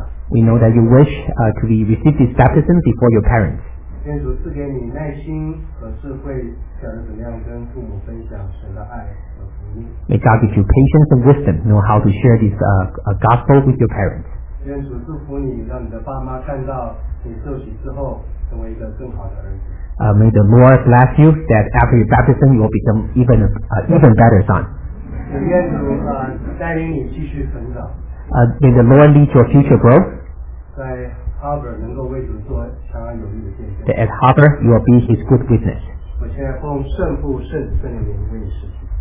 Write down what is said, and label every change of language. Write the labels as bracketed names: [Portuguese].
[English] We know that you wish to receive this baptism before your parents. May God give you patience and wisdom, know how to share this gospel with your parents. [Chinese] 愿主祝福你，让你的爸妈看到你受洗之后，成为一个更好的儿子。 [English] May the Lord bless you that after your baptism you will become even better son. [Chinese] 愿主带领你继续成长。 [English] May the Lord lead your future growth. [Chinese] 在 Harvard 能够为主做强而有力的见证。 [English] At Harvard you will be his good witness. [Chinese] 我现在奉圣父、圣子、圣灵的名为你施洗。